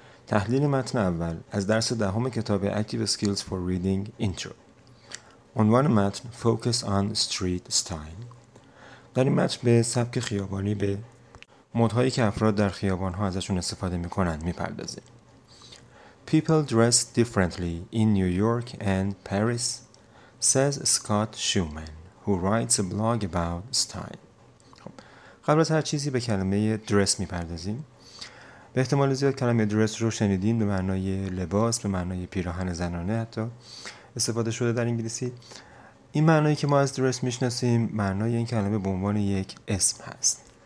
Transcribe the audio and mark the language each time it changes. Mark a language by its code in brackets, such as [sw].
[fa] تحلیل متن اول از درس دهم کتاب Active Skills for Reading Intro. عنوان متن Focus on Street Style. در این متن به سبک خیابانی به مدهایی که افراد در خیابان‌ها ازشون استفاده می‌کنند می‌پردازه. [en] People dress differently in New York and Paris, says Scott Schumann, who writes a blog about style. [fa] قبل از هر چیزی به کلمه درس می‌پردازیم. به احتمال زیاد کلمه درس رو شنیدین، به معنای لباس، به معنای پیراهن زنانه حتی استفاده شده در انگلیسی. این معنایی که ما از درس می‌شناسیم، معنای این کلمه به عنوان یک اسم هست.